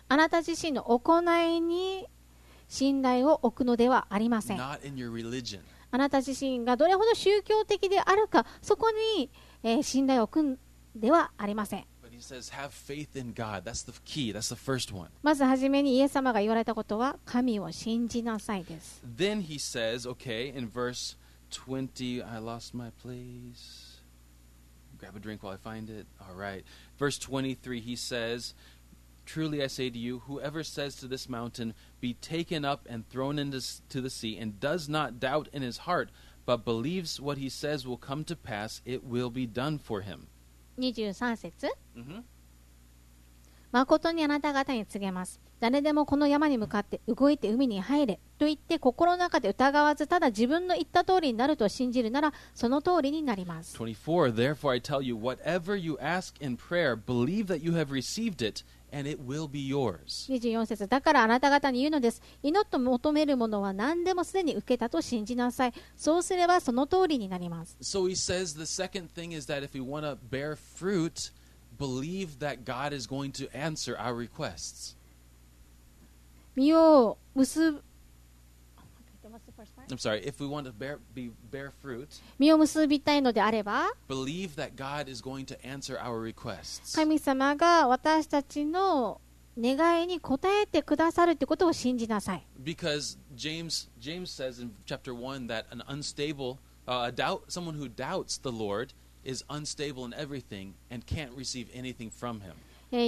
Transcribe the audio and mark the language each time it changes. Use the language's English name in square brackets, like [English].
[Japanese] あなた自身の行いに信頼を置くのではありません。 [English] Not in your religion. [Japanese] あなた自身がどれほど宗教的であるか、そこに、信頼を置くのではありません。 [English] But he says, have faith in God. That's the key. That's the first one. [Japanese] まずはじめにイエス様が言われたことは、神を信じなさいです。 [English] Then he says, okay, in verse 20, I lost my place. Grab a drink while I find it. All right. Verse 23, he says, Truly I say to you, whoever says to this mountain, be taken up and thrown into the sea, and does not doubt in his heart, but believes what he says will come to pass, it will be done for him. [Japanese] 23節。まことにあなた方に告げます。誰でもこの山に向かって動いて海に入れと言って心の中で疑わずただ自分の言った通りになると信じるならその通りになります。 [English] 24 Therefore I tell you whatever you ask in prayer believe that you have received it and it will be yours. [Japanese] 24節だからあなた方に言うのです。祈って求めるものは何でもすでに受けたと信じなさい。そうすればその通りになります。 [English] So he says the second thing is that if we want to bear fruit believe that God is going to answer our requests. [Japanese] 実を結ぶ。 [English] I'm sorry. If we want to bear fruit, [Japanese] 実を結びたいのであれば、 [English] believe that God is going to answer our requests. [Japanese] 神様が私たちの願いに応えてくださるということを信じなさい。 [English] Because James says in chapter 1 that an unstable, someone who doubts the Lord is unstable in everything and can't receive anything from him.